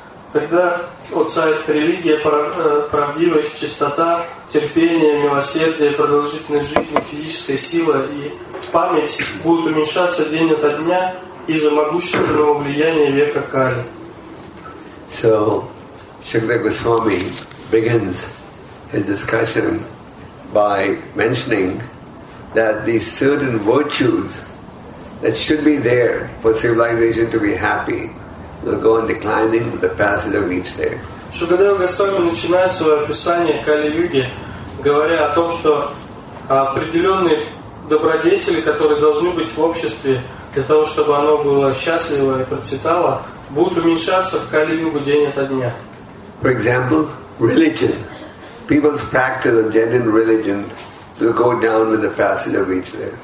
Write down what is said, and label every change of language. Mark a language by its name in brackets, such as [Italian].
[Russian] Тогда, о царь, религия, правдивость, чистота, терпение, милосердие, продолжительность жизни, физическая сила и память будут уменьшаться день ото дня из-за могущественного влияния века Кали. [English] So, Shukadeva Goswami begins his discussion by mentioning that these certain virtues that should be there for civilization to be happy will go on declining with the passage of each day. [Russian] Shukadeva Goswami начинает свое описание Кали-юги, говоря о том, что определенные добродетели, которые должны быть в обществе для того, чтобы оно было счастливо и процветало, будут уменьшаться в Кали-югу день ото дня. [English] For example, religion. People's practice of genuine religion will go down with the passage of each day.